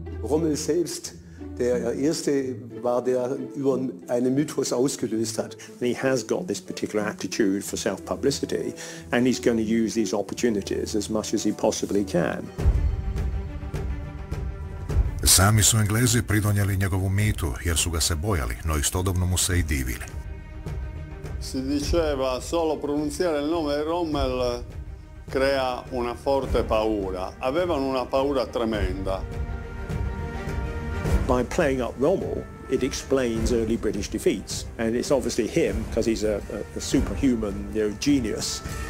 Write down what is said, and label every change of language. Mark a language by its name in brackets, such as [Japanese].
[German] Rommel selbst, der erste war der über einen Mythos ausgelöst hat. [English] He has got this particular attitude for self-publicity and he's going to use these opportunities as much as he possibly can. [Croatian] Sami su Englezi pridonijeli njegovu mitu jer su ga se bojali, no istodobno mu se i divili. [Italian] Si diceva solo pronunciare il nome Rommel crea una forte paura. Avevano una paura tremenda. [English] By playing up Rommel, it explains early British defeats, and it's obviously him because he's a superhuman, you know, genius.